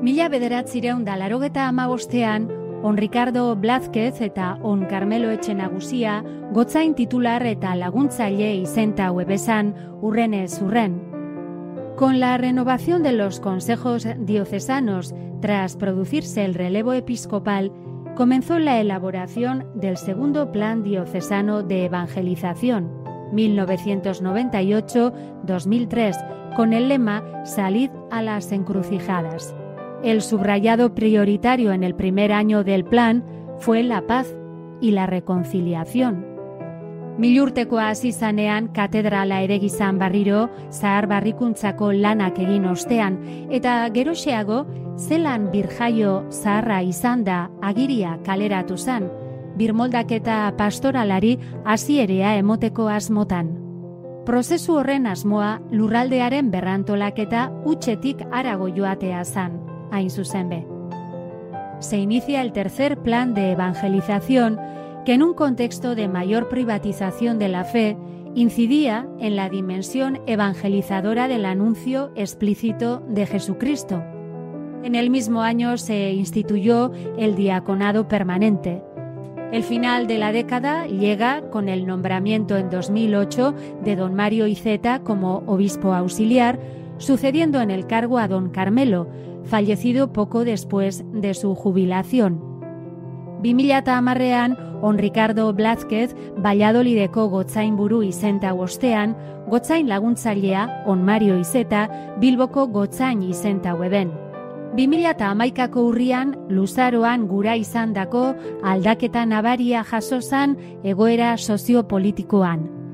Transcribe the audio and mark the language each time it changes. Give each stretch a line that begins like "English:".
Basque: Bederatzireun da larogeta amabostean, On Ricardo Blázquez eta On Carmelo Etxenagusia gotzain titular eta laguntzaile izenta webesan urrenez urren.
Spanish: Con la renovación de los consejos diocesanos tras producirse el relevo episcopal, comenzó la elaboración del segundo plan diocesano de evangelización, 1998-2003, con el lema «Salid a las encrucijadas». El subrayado prioritario en el primer año del plan fue la paz y la reconciliación.
Basque: Milurteko hasi zanean katedrala eregi zan barriro zahar barrikuntzako lanak egin ostean, eta geroxeago zelan birjaio zaharra izan da agiria kaleratu zan, birmoldaketa pastoralari hasierea emoteko asmotan. Prozesu horren asmoa lurraldearen berrantolaketa utxetik harago joatea zan.
Spanish: Se inicia el tercer plan de evangelización, que en un contexto de mayor privatización de la fe incidía en la dimensión evangelizadora del anuncio explícito de Jesucristo. En el mismo año se instituyó el diaconado permanente. El final de la década llega con el nombramiento en 2008 de don Mario Iceta como obispo auxiliar, sucediendo en el cargo a don Carmelo, fallecido poco después de su jubilación.
Basque: 2010ean, On Ricardo Blázquez, Valladolideko gotzainburu izenta ostean, gotzain laguntzailea, On Mario Iceta, Bilboko gotzain izenta weben. 2011ko urrian, luzaroan gura izandako aldaketa nabaria jaso zan egoera soziopolitikoan.